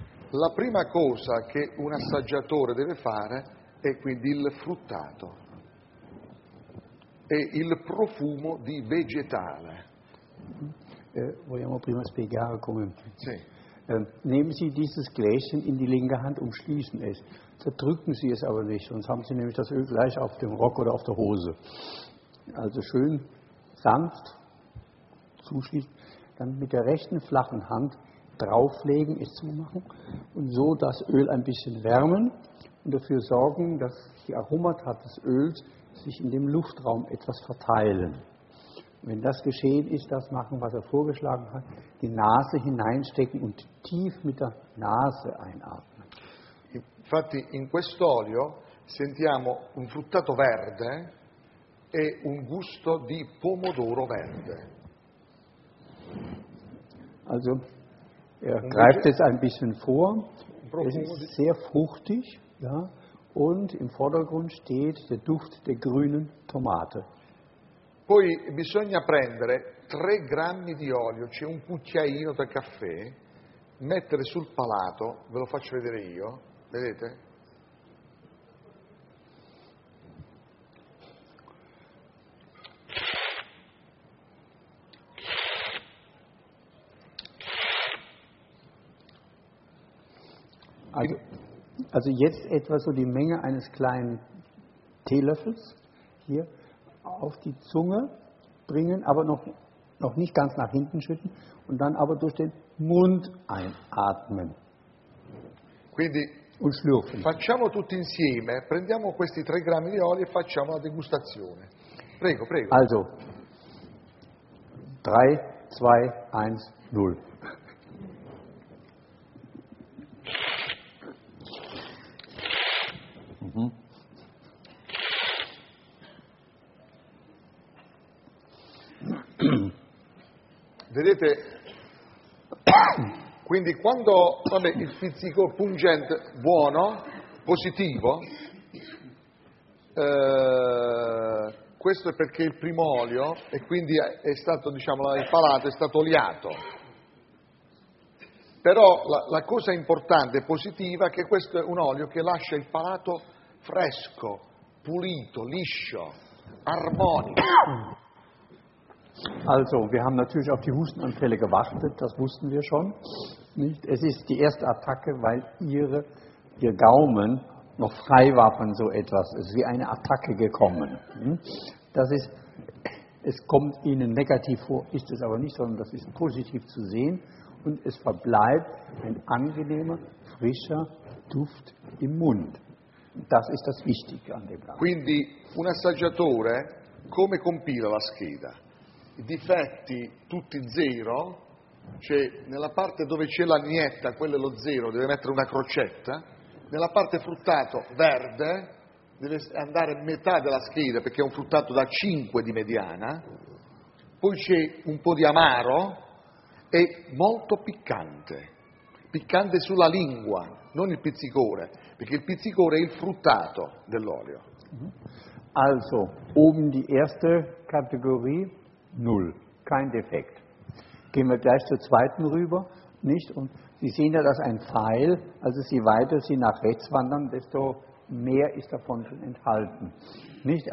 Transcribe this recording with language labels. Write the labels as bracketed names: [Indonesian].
[Italian] La prima cosa che un assaggiatore deve fare è quindi il fruttato, è il profumo di vegetale. Vogliamo prima spiegare come. Sì. [German] Nehmen Sie dieses Gläschen in die linke Hand, umschließen es. Zerdrücken Sie es aber nicht, sonst haben Sie nämlich das Öl gleich auf dem Rock oder auf der Hose. Also schön sanft zuschließen, dann mit der rechten flachen Hand drauflegen, es zumachen und so das Öl ein bisschen wärmen und dafür sorgen, dass die Aromata des Öls sich in dem Luftraum etwas verteilen. Wenn das geschehen ist, das machen, was er vorgeschlagen hat, die Nase hineinstecken und tief mit der Nase einatmen. [Italian] Infatti in quest'olio sentiamo un fruttato verde e un gusto di pomodoro verde. [German] Also er greift jetzt ein bisschen vor. Es ist sehr fruchtig, ja, und im Vordergrund steht der Duft der grünen Tomate. [Italian] Poi bisogna prendere 3 grammi di olio, c'è un cucchiaino da caffè, mettere sul palato, ve lo faccio vedere io, vedete? [German] Also jetzt etwa so die Menge eines kleinen Teelöffels hier auf die Zunge bringen, aber noch nicht ganz nach hinten schütten und dann aber durch den Mund einatmen. [Italian] Quindi [German] und schlürfen. [Italian] Facciamo tutti insieme, prendiamo questi 3 Gramm di olio e facciamo la degustazione. Prego, prego. [German] Also 3 2 1 0. [Italian] Vedete, quindi quando, vabbè, il pizzico pungente buono, positivo, questo è perché il primo olio e quindi è stato, diciamo, il palato è stato oliato. Però la cosa importante, positiva, è che questo è un olio che lascia il palato fresco, pulito, liscio, armonico. [German] Also, wir haben natürlich auf die Hustenanfälle gewartet, das wussten wir schon. Nicht? Es ist die erste Attacke, weil ihr Gaumen noch frei war von so etwas. Es ist wie eine Attacke gekommen. Das ist, es kommt Ihnen negativ vor, ist es aber nicht, sondern das ist positiv zu sehen. Und es verbleibt ein angenehmer, frischer Duft im Mund. Das ist das Wichtige an dem Gaumen. [Italian] Quindi, un assaggiatore, come compila la scheda? Difetti tutti zero, cioè nella parte dove c'è l'agnetta, quello è lo zero, deve mettere una crocetta, nella parte fruttato verde deve andare metà della scheda perché è un fruttato da 5 di mediana, poi c'è un po' di amaro e molto piccante, piccante sulla lingua, non il pizzicore, perché il pizzicore è il fruttato dell'olio. [German] Also, die erste Kategorie. Null, kein Defekt. Gehen wir gleich zur zweiten rüber, nicht? Und Sie sehen ja, dass ein Pfeil, also je weiter Sie nach rechts wandern, desto mehr ist davon schon enthalten. Nicht?